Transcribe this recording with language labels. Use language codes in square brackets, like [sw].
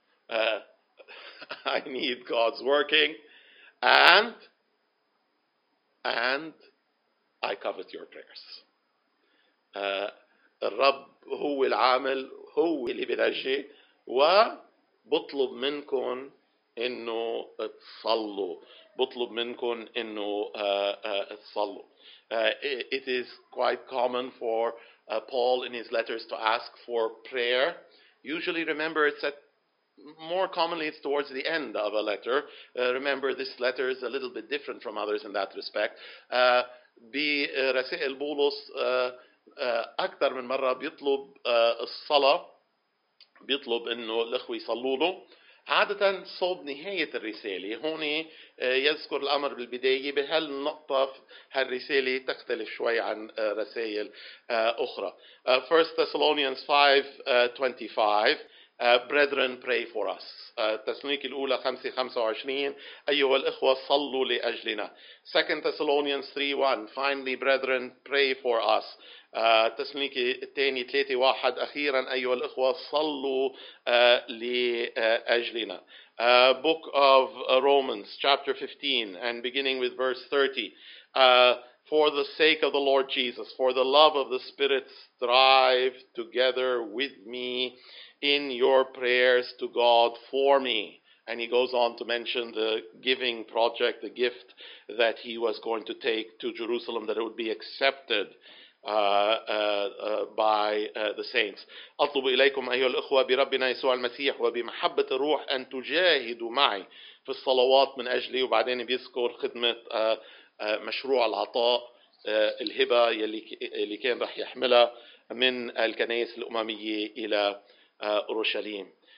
[en] I need God's working and I covet your prayers. [ar] الرب هو العامل، هو اللي بنجي، وبطلب منكم إنه تصلوا، بطلب منكم إنه تصلوا. [en] It is quite common for Paul in his letters to ask for prayer. Usually, remember, it's at more commonly it's towards the end of a letter. Remember, this letter is a little bit different from others in that respect. [ar] برسائل بولس أكثر من مرة بيطلب الصلاة، بيطلب إنه الأخوة يصلوا له. عادة صوب نهاية الرسالة، هون يذكر الأمر بالبداية، بهالنقطة هالرسالة تختلف شوي عن رسائل أخرى. [en] 1 Thessalonians 5:25 Brethren pray for us. [ar] تسليك الأولى 5:25 أيها الإخوة صلوا لأجلنا. [en] 2 Thessalonians 3:1 Finally brethren pray for us. [ar] تسليك الثاني 3:1 أخيرا أيها الإخوة صلوا لأجلنا. [en] Book of Romans chapter 15 and beginning with verse 30. For the sake of the Lord Jesus, for the love of the Spirit, strive together with me in your prayers to God for me. And he goes on to mention the giving project, the gift that he was going to take to Jerusalem, that it would be accepted by the saints. [ar] أطلب إليكم أيها الأخوة بربنا يسوع المسيح وبمحبة الروح أن تجاهدوا معي في الصلوات من أجلي. وبعدين بيذكر خدمة مشروع العطاء، الهبة يلي كان رح يحملها من الكنائس الأممية إلى أورشليم.